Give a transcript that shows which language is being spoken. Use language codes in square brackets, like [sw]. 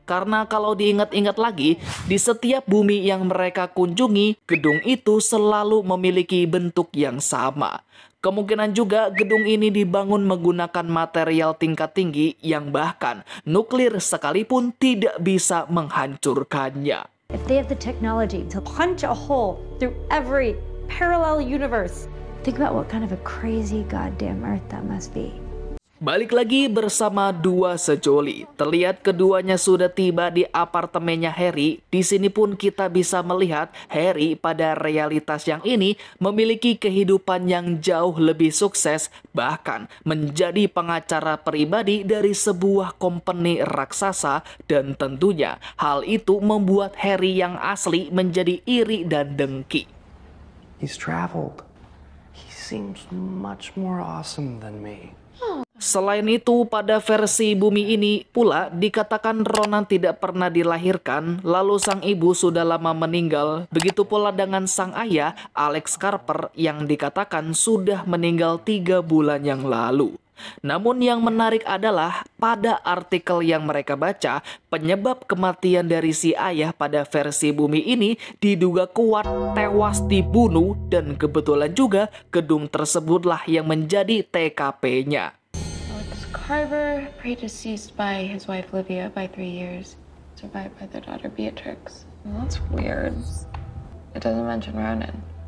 [id] Karena kalau diingat-ingat lagi, di setiap bumi yang mereka kunjungi, gedung itu selalu memiliki bentuk yang sama. Kemungkinan juga gedung ini dibangun menggunakan material tingkat tinggi yang bahkan nuklir sekalipun tidak bisa menghancurkannya. [en] If they have the technology to punch a hole through every parallel universe, think about what kind of a crazy goddamn earth that must be. [id] Balik lagi bersama dua sejoli. Terlihat keduanya sudah tiba di apartemennya Harry. Di sini pun kita bisa melihat Harry pada realitas yang ini memiliki kehidupan yang jauh lebih sukses, bahkan menjadi pengacara pribadi dari sebuah company raksasa, dan tentunya hal itu membuat Harry yang asli menjadi iri dan dengki. [en] He's traveled. He seems much more awesome than me. [id] Selain itu, pada versi bumi ini pula dikatakan Ronan tidak pernah dilahirkan, lalu sang ibu sudah lama meninggal. Begitu pula dengan sang ayah, Alex Carper, yang dikatakan sudah meninggal 3 bulan yang lalu. Namun yang menarik adalah pada artikel yang mereka baca, penyebab kematian dari si ayah pada versi bumi ini diduga kuat tewas dibunuh, dan kebetulan juga gedung tersebutlah yang menjadi TKP-nya. [en] Carver, predeceased by his wife Livia by 3 years, survived by their daughter Beatrix. Well, that's weird. It doesn't mention Ronan.